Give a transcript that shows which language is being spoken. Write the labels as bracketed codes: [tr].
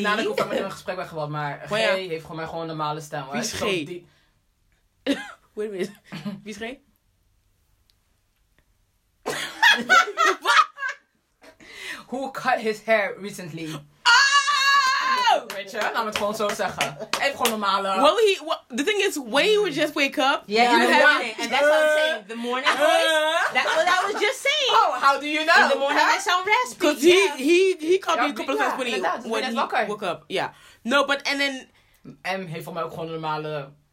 [nl] Na dat ik ook met hem in gesprek ben geweest, maar G heeft gewoon mijn gewoon normale stem. Wie is G? [en] Wait a minute. [nl] Wie is G? [en] Who cut his hair recently? Oh! [nl] Laat me het gewoon zo zeggen. Even gewoon normale. [en] Well, the thing is, when he would just wake up. Yeah, in the morning. And that's what I'm saying. The morning voice. That's what I was just saying. Oh, how do you know? In the morning, I sound raspy. Because he caught me a couple of times when he woke up. Yeah. No, but, and then. [nl] M heeft voor mij ook gewoon normale.